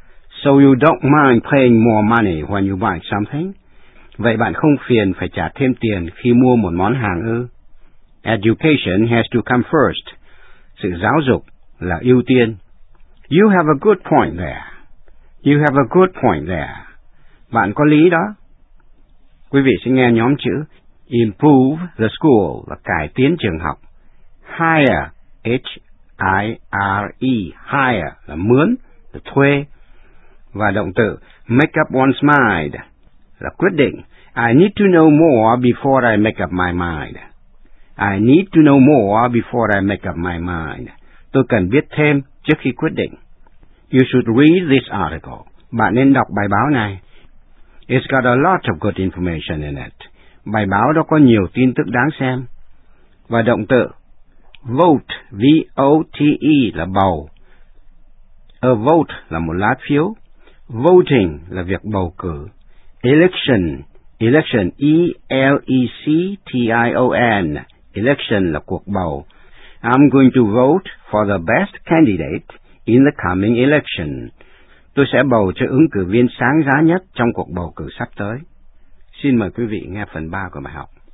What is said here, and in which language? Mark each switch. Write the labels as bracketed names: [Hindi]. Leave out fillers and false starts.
[English] So you don't mind paying more money when you buy something? [Vietnamese] Vậy bạn không phiền phải trả thêm tiền khi mua một món hàng ư? [English] Education has to come first. [Vietnamese] Sự giáo dục là ưu tiên. [English] You have a good point there. You have a good point there. [Vietnamese] Bạn có lý đó. Quý vị sẽ nghe nhóm chữ [English] improve the school [Vietnamese] là cải tiến trường học. Hire, H-I-R-E, hire là mướn, là thuê. Và động từ [English] make up one's mind [Vietnamese] là quyết định. [English] I need to know more before I make up my mind. I need to know more before I make up my mind. [Vietnamese] Tôi cần biết thêm trước khi quyết định. [English] You should read this article. [Vietnamese] Bạn nên đọc bài báo này. [English] It's got a lot of good information in it. [Vietnamese] Bài báo đó có nhiều tin tức đáng xem. Và động từ vote, V-O-T-E là bầu. A vote là một lá phiếu. Voting là việc bầu cử. Election, election, E-L-E-C-T-I-O-N, election là cuộc bầu. [English] I'm going to vote for the best candidate in the coming election. [Vietnamese] Tôi sẽ bầu cho ứng cử viên sáng giá nhất trong cuộc bầu cử sắp tới. Xin mời quý vị nghe phần 3 của bài học.